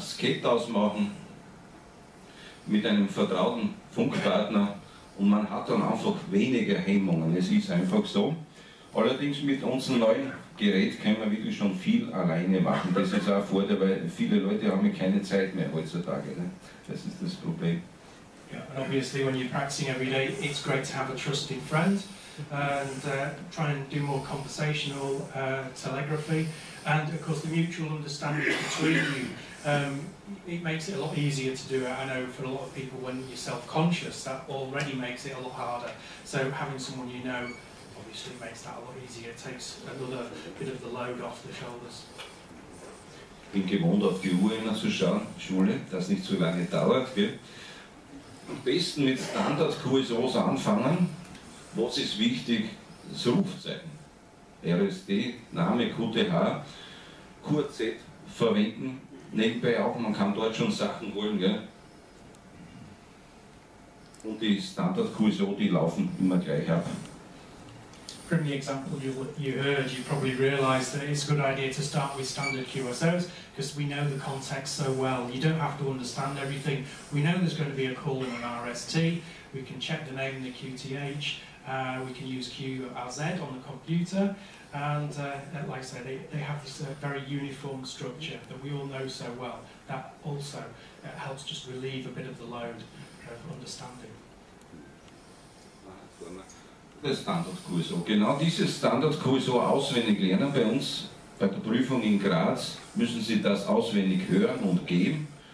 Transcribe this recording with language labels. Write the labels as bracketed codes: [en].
[de] Skate ausmachen mit einem vertrauten Funkpartner und man hat dann einfach weniger Hemmungen. Es ist einfach so. Allerdings mit unserem neuen Gerät können wir wirklich schon viel alleine machen. Das ist auch ein Vorteil, weil viele Leute haben keine Zeit mehr heutzutage. Ne? Das ist das Problem. [en] Yeah, and obviously when you're practicing every day, it's great to have a trusted friend and try and do more conversational telegraphy. And of course the mutual understanding between you, it makes it a lot easier to do it. I know for a lot of people when you're self-conscious, that already makes it a lot harder. So having someone you know obviously makes that a lot easier. It takes another bit of the load off the shoulders. [de] Ich bin gewohnt, auf die Uhr immer zu schauen, Schule, dass nicht zu lange dauert. Gell? Am besten mit Standard-QSOs anfangen. Was ist wichtig? Das Rufzeichen. RSD, Name, QTH, QZ verwenden. Nebenbei auch, man kann dort schon Sachen holen. Gell? Und die Standard-QSO, die laufen immer gleich ab. [en] From the example you heard, you probably realise that it's a good idea to start with standard QSOs because we know the context so well. You don't have to understand everything. We know there's going to be a call in an RST. We can check the name in the QTH. We can use QRZ on the computer. And like I said, they have this very uniform structure that we all know so well. That also helps just relieve a bit of the load of understanding. [de] Das Standard-QSO. Genau dieses Standard-QSO auswendig lernen bei uns. Bei der Prüfung in Graz müssen Sie das auswendig hören und geben.